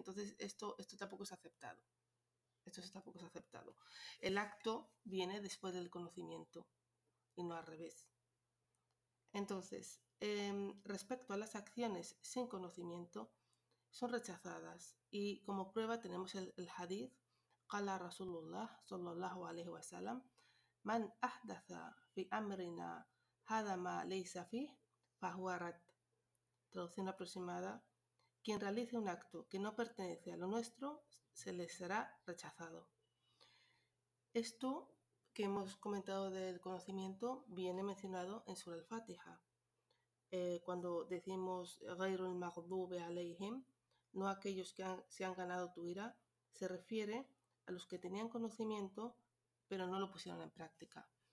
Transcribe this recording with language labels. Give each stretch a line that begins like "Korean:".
Spanish: Entonces, esto tampoco es aceptado. Esto tampoco es aceptado. El acto viene después del conocimiento y no al revés. Entonces, respecto a las acciones sin conocimiento, son rechazadas. Y como prueba tenemos el hadith,
Arabic: قال رسول الله صلى الله عليه وسلم من أحدث في أمرنا هذا ما ليس فيه فهو رد.
Spanish: Traducción aproximada: quien realice un acto que no pertenece a lo nuestro, se le será rechazado. Esto que hemos comentado del conocimiento viene mencionado en Sura al-Fatiha. Cuando decimos
Arabic: غَيْرُ الْمَغْضُوبِ عَلَيْهِمْ,
Spanish: no aquellos que se han ganado tu ira, se refiere a los que tenían conocimiento pero no lo pusieron en práctica.